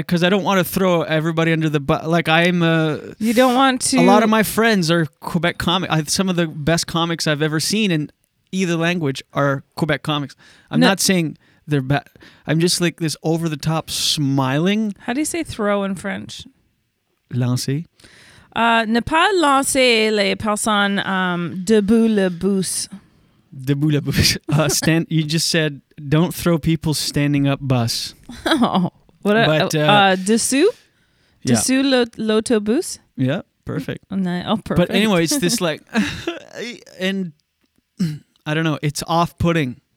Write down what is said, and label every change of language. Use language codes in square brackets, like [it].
[en] Because I don't want to throw everybody under the bus. Like I'm a... You don't want to... A lot of my friends are Quebec comics. Some of the best comics I've ever seen in either language are Quebec comics. I'm not saying they're bad. I'm just like this over-the-top smiling. How do you say throw in French? [fr] Lancer. Ne pas lancer les personnes debout le bus. Debout le bus. Stand. [en] You just said, don't throw people standing up bus. Oh, what? Dessous? Yeah. [fr] Dessous l'autobus? [en] Yeah, perfect. Perfect. But anyway, it's this like, and I don't know, it's off-putting.